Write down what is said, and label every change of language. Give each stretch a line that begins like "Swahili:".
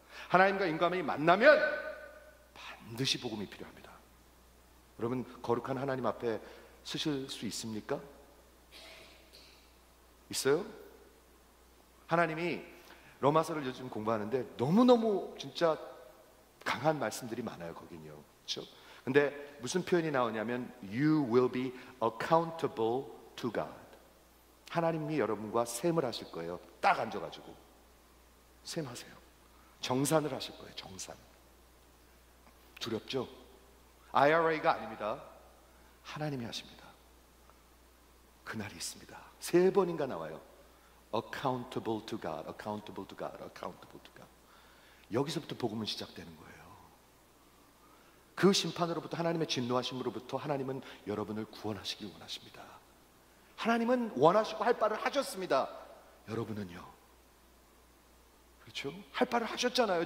Korean: 하나님과 인간이 만나면 반드시 복음이 필요합니다. 여러분 거룩한 하나님 앞에 쓰실 수 있습니까? 있어요? 하나님이 로마서를 요즘 공부하는데 너무너무 진짜 강한 말씀들이 많아요, 거긴요. 그렇죠? 근데 무슨 표현이 나오냐면
English: You will be accountable to God.
Korean: 하나님이 여러분과 셈을 하실 거예요. 딱 앉아가지고 셈 하세요. 정산을 하실 거예요, 정산. 두렵죠? IRA가 아닙니다. 하나님이 하십니다. 그날이 있습니다. 세 번인가 나와요.
English: Accountable to God, accountable to God, accountable to God.
Korean: 여기서부터 복음은 시작되는 거예요. 그 심판으로부터 하나님의 진노하심으로부터 하나님은 여러분을 구원하시길 원하십니다. 하나님은 원하시고 할 바를 하셨습니다. 여러분은요. 그렇죠? 할 바를 하셨잖아요.